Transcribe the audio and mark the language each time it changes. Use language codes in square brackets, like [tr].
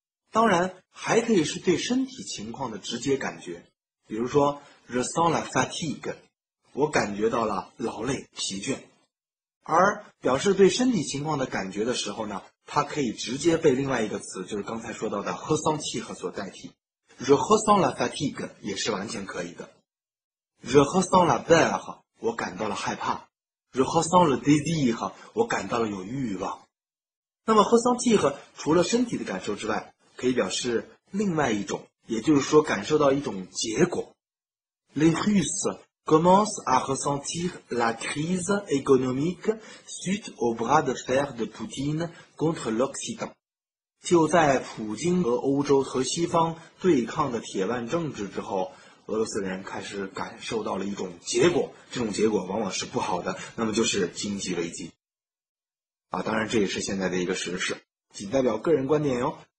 [zh] 当然，还可以是对身体情况的直接感觉，比如说 [fr] je sens la fatigue， [zh] 我感觉到了劳累疲倦。而表示对身体情况的感觉的时候呢？它可以直接被另外一个词，就是刚才说到的 ressentir 所代替。 [fr] Je ressens la fatigue [zh] 也是完全可以的。 [fr] Je ressens la peur， [zh] 我感到了害怕。 [fr] Je ressens le désir， [zh] 我感到了有欲望。那么 ressentir 除了身体的感受之外，可以表示另外一种，也就是说感受到一种结果。 [fr] Les Russes commencent à ressentir la crise économique suite au bras de fer de Poutine。 contre l'Occident， [zh] 就在普京和欧洲和西方对抗的铁腕政治之后，俄罗斯人开始感受到了一种结果，这种结果往往是不好的，那么就是经济危机。啊，当然这也是现在的一个时事，仅代表个人观点哟。